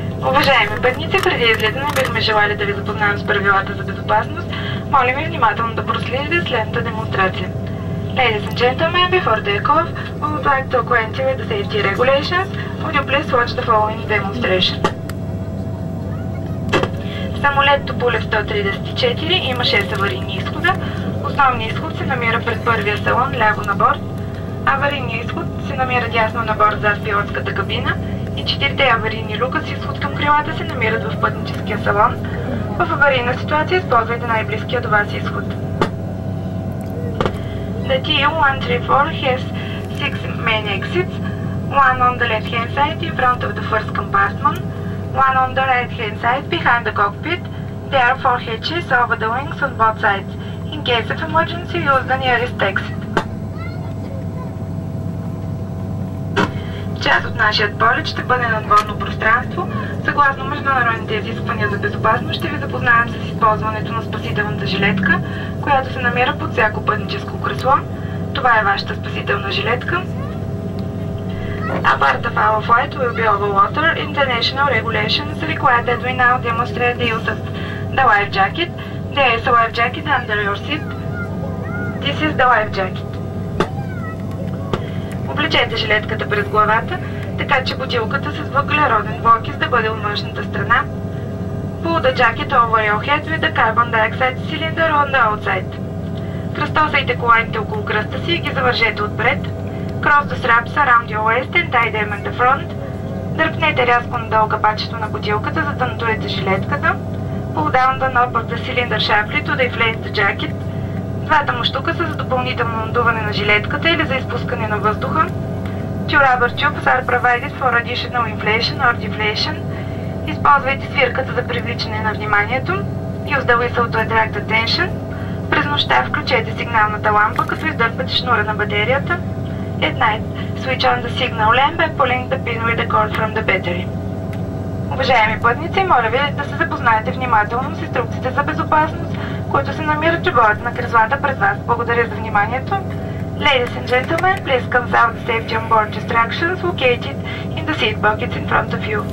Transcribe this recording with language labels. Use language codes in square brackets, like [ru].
[bg] Уважаеми пътници, преди излизане бихме желали да ви запознаем с правилата за безопасност. Молим ви внимателно да проследите следната демонстрация. [en] Ladies and gentlemen, before takeoff, we would like to acquaint you with the safety regulations. Would you please watch the following demonstration? [bg] Самолет Tupolev TU-134 има 6 аварийни изхода. Основният изход се намира пред първия салон, ляво на борт. Аварийният изход се намира дясно на борт зад пилотската кабина и четирите аварийни люка с изход към крилата се намират в пътническия салон. В аварийна ситуация използвайте най-близкия до вас изход. [en] The TU-134 has 6 main exits, one on the left-hand side in front of the first compartment, one on the right-hand side behind the cockpit. There are 4 hatches over the wings on both sides. In case of emergency, use the nearest exit. [bg] Част от нашият полет ще бъде надводно пространство. Съгласно международните изисквания за безопасност, ще ви запознаем с използването на спасителната жилетка, която се намира под всяко пътническо кресло. Това е вашата спасителна жилетка. [en] A part of our flight will be over water. International regulations require that we now demonstrate the use of the life jacket. There is a life jacket under your seat. This is the life jacket. [bg] Облечете жилетката през главата, така че бутилката с въглероден двуокис да бъде от външната страна. [en] Pull the jacket over your head with the carbon dioxide cylinder on the outside. [bg] Кръстосайте коланите около кръста си и ги завържете отпред. [en] Cross the straps around your waist and tie them at the front. [bg] Дръпнете рязко надолу капачето на бутилката, за да натурите жилетката. [en] Pull down the knob of the cylinder sharply to deflate the jacket. [bg] Двата му штука са за допълнително надуване на жилетката или за изпускане на въздуха. [en] Two rubber tubes are provided for additional inflation or deflation. [bg] Използвайте свирката за привличане на вниманието. [en] Use the whistle to attract attention. [bg] През нощта включете сигналната лампа, като издърпате шнура на батерията. [en] At night, switch on the signal lamp by pulling the pin with the cord from the battery. [bg] Уважаеми пътници, моля ви да се запознаете внимателно с инструкциите за безопасност, които се намират в борда на кръзлата пред вас. Благодаря за вниманието. [en] Ladies and gentlemen, please consult the safety on board instructions located in the seat pockets in front of you.